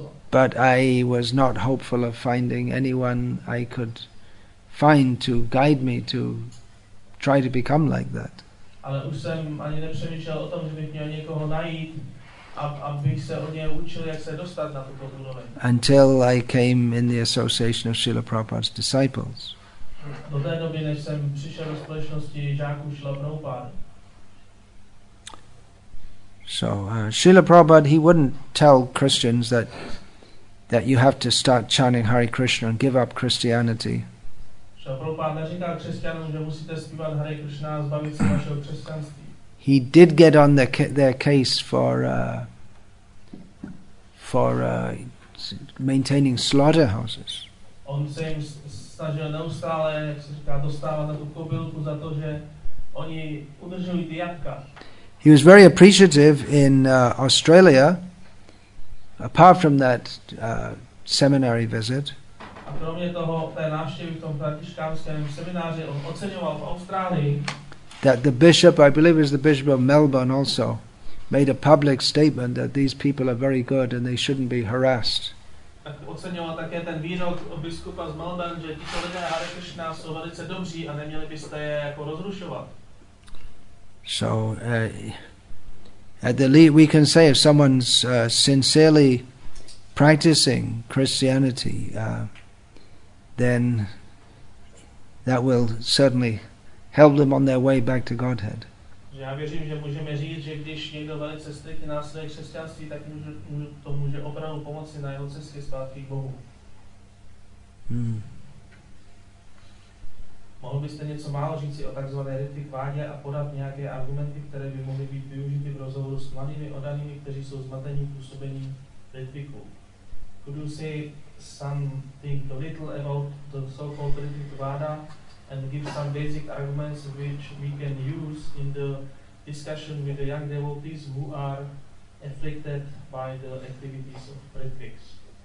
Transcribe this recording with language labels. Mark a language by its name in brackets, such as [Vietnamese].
[English] But I was not hopeful of finding anyone I could find to guide me to try to become like that. Until I came in the association of Srila Prabhupada's disciples. [Czech] Do té doby, než jsem přišel do společnosti žáků Srila Prabhupády. [English] So, Srila Prabhupada, he wouldn't tell Christians that you have to start chanting Hare Krishna and give up Christianity. [Czech] Srila Prabhupada říká křesťanům, že musíte zpívat Hare Krishna a zbavit se vašeho křesťanství. [English] He did get on their case for maintaining slaughterhouses. [Czech] On se jim snažil neustále, jak se říká, dostávat na tu kobylku za to, že oni udržují ty jatka. [English] He was very appreciative in Australia, apart from that seminary visit. [Czech] A kromě toho, té návštěvy v tom františkánském semináři, on oceňoval v Austrálii, [English] that the bishop, I believe it was the bishop of Melbourne also, made a public statement that these people are very good and they shouldn't be harassed. [Czech] Tak oceňoval také ten výrok biskupa z Melbourne, že tyto lidé Hare Krishna jsou velice dobří a neměli byste je jako rozrušovat. [English] So, at the least we can say if someone's sincerely practicing Christianity, then that will certainly help them on their way back to Godhead. [Czech] Já věřím, že můžeme říct, že když někdo velice striktně následuje křesťanství, tak to může opravdu pomoci na jeho cestě zpátky k Bohu. Mohl mohli ste něco málo říci o tzv. Retikvádě a podat nějaké argumenty, které by mohly být využity v rozhovoru s mladými odanými, kteří jsou zmatení působením retiku. [English] Could you say something a little about the so-called retikvádě and give some basic arguments which we can use in the discussion with the young devotees who are afflicted by the activities of retiks?